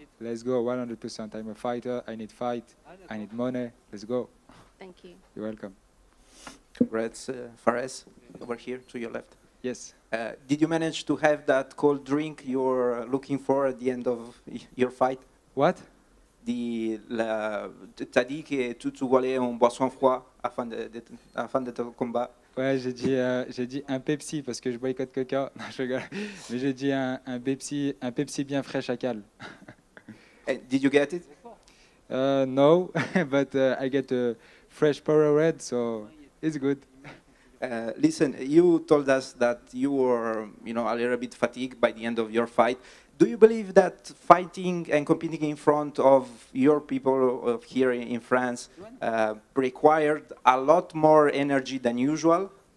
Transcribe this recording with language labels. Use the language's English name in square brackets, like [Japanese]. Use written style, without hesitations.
[English] Let's go 100%. I'm a fighter. I need fight. I need money. Let's go. Thank you. You're welcome. Congrats, Fares, over here to your left. Yes. Did you manage to have that cold drink you're looking for at the end of your fight? What? [French] T'as dit que tu voulais un boisson froid afin de ton combat. Ouais, j'ai dit un Pepsi parce que je boycotte Coca. Non, je rigole. Mais j'ai dit un Pepsi bien frais, chacal. [English] Did you get it? No, but I get a fresh Powerade, so it's good. Listen, you told us that you were, you know, a little bit fatigued by the end of your fight. Do you believe that fighting and competing in front of your people here in France required a lot more energy than usual?